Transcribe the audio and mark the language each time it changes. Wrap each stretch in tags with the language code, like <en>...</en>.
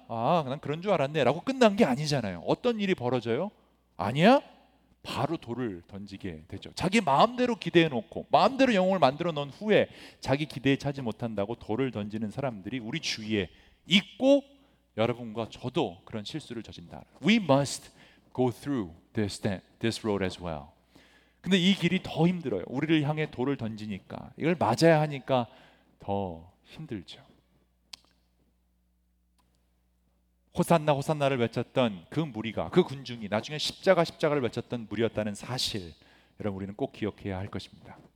<ko>난 그런 줄 알았네 라고 끝난 게 아니잖아요. 어떤 일이 벌어져요? 아니야? 바로 돌을 던지게 되죠. 자기 마음대로 기대해 놓고 마음대로 영웅을 만들어 놓은 후에 자기 기대에 차지 못한다고 돌을 던지는 사람들이 우리 주위에 있고, 여러분과 저도 그런 실수를 저진다.</ko> <en>We must go through this road as well.</en> <ko>근데 이 길이 더 힘들어요. 우리를 향해 돌을 던지니까, 이걸 맞아야 하니까 더 힘들죠. 호산나 호산나를 외쳤던 그 무리가, 그 군중이 나중에 십자가를 외쳤던 무리였다는 사실, 여러분 우리는 꼭 기억해야 할 것입니다.</ko>